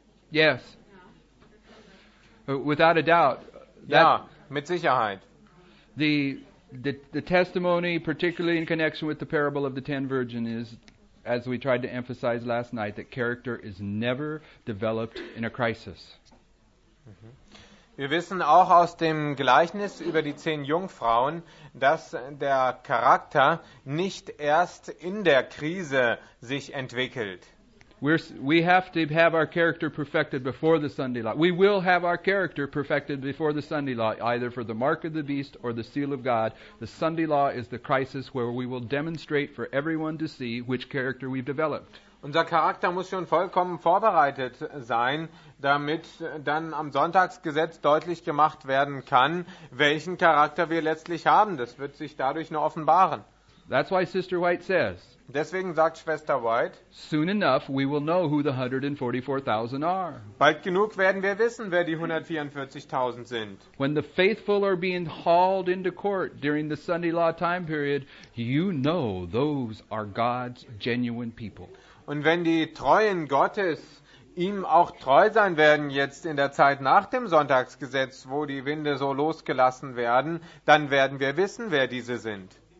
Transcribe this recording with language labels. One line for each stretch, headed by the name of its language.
English: Yes. Without a doubt.
German: Ja, mit Sicherheit.
English: The testimony, particularly in connection with the parable of the ten virgins, is, as we tried to emphasize last night, that character is never developed in a crisis.
German: Wir wissen auch aus dem Gleichnis über die zehn Jungfrauen, dass der Charakter nicht erst in der Krise sich entwickelt.
English: We have to have our character perfected before the Sunday law. We will have our character perfected before the Sunday law, either for the mark of the beast or the seal of God. The Sunday law is the crisis where we will demonstrate for everyone to see which character we've developed.
German: Unser Charakter muss schon vollkommen vorbereitet sein, damit dann am Sonntagsgesetz deutlich gemacht werden kann, welchen Charakter wir letztlich haben. Das wird sich dadurch nur offenbaren.
English: That's why Sister White says,
German: deswegen sagt Schwester White,
English: soon enough we will know who the 144,000 are.
German: Bald genug werden wir wissen, wer die 144,000 sind.
English: When the faithful are being hauled into court during the Sunday law time period, you know those are God's genuine people.
German: Und wenn die Treuen Gottes ihm auch treu sein werden jetzt in der Zeit nach dem Sonntagsgesetz, wo die Winde so losgelassen werden, dann werden wir wissen, wer diese sind.